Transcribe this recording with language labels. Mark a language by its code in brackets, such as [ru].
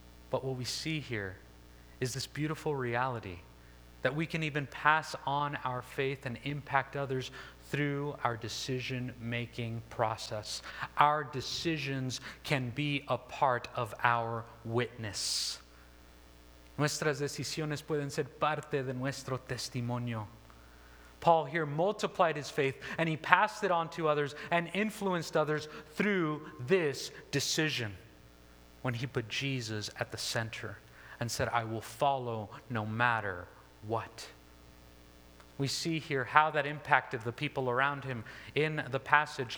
[en] But what we see here is this beautiful reality that we can even pass on our faith and impact others through our decision-making process. Our decisions can be a part of our witness. [es] Nuestras decisiones pueden ser parte de nuestro testimonio. [en] Paul here multiplied his faith and he passed it on to others and influenced others through this decision. when he put Jesus at the center and said, I will follow no matter what. We see here how that impacted the people around him in the passage.